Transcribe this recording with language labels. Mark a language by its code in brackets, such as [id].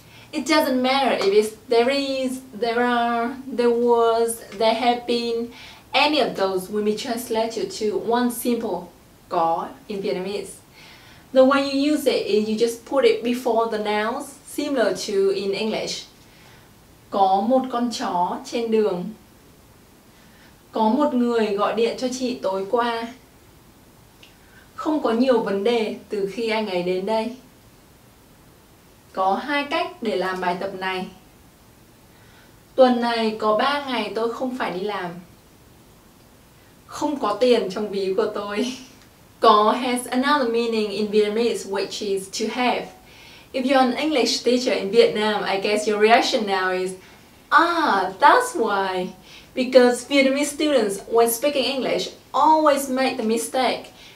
[en] It doesn't matter if it's there is, there are, there was, there have been. Any of those will be translated to one simple có in Vietnamese. The way you use it is you just put it before the nouns, similar to in English. [vi] Có một con chó trên đường. Có một người gọi điện cho chị tối qua. Không có nhiều vấn đề từ khi anh ấy đến đây. Có 2 cách để làm bài tập này. Tuần này có 3 ngày tôi không phải đi làm. Không có tiền trong ví của tôi. [en] Có has another meaning in Vietnamese, which is to have. If you're an English teacher in Vietnam, I guess your reaction now is, ah, that's why. Because Vietnamese students, when speaking English, always make the mistake.